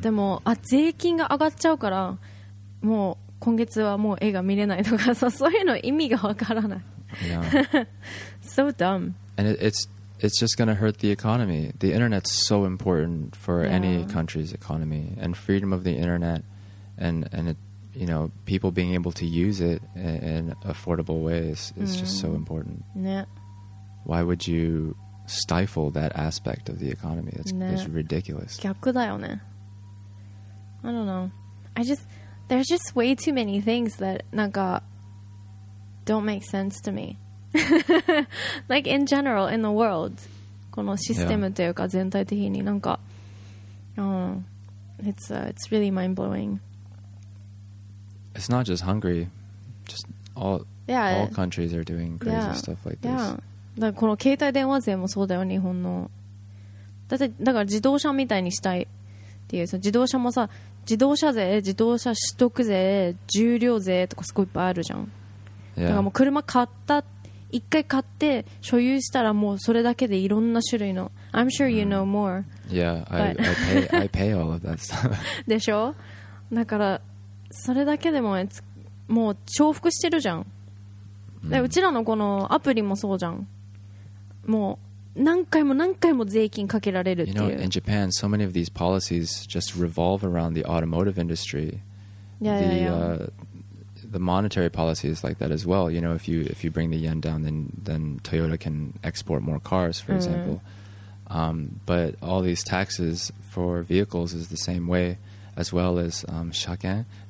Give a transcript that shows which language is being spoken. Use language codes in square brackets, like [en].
[ja] でも、あ、税金が上がっちゃうから、もう今月はもう映画見れないとかさ、そういうの意味が分からない。 [en] Yeah. So dumb. And it's just going to hurt the economy. The internet's so important for any country's economy, and freedom of the internet and it, you know, people being able to use it in affordable ways is just so important. Yeah. Why would you stifle that aspect of the economy? That's ridiculous. [ja] 逆だよね。 [en] I don't know. There's just way too many things that なんか don't make sense to me. Like in general, in the world, [ja] このシステムというか全体的になんか、 [en] it's really mind blowing. It's not just Hungary, just all countries are doing crazy stuff like this. Yeah, [ja] だからこの携帯電話税もそうだよ日本の。だってだから自動車みたいにしたいっていう、その自動車もさ、自動車税、自動車取得税、重量税とかすごいいっぱいあるじゃん。 [en] Yeah. [ja] だからもう車買った。一回買って所有したらもうそれだけでいろんな種類の [en] I'm sure you know more. I pay all of that stuff. [ja] でしょ？だからそれだけでももう重複してるじゃん、mm. うちらのこのアプリもそうじゃん。もう何回も何回も税金かけられるっていう。 [en] You know, in Japan, so many of these policies just revolve around the automotive industry. The monetary policy is like that as well. You know, if you bring the yen down, then Toyota can export more cars, for example. But all these taxes for vehicles is the same way, as well as shaken.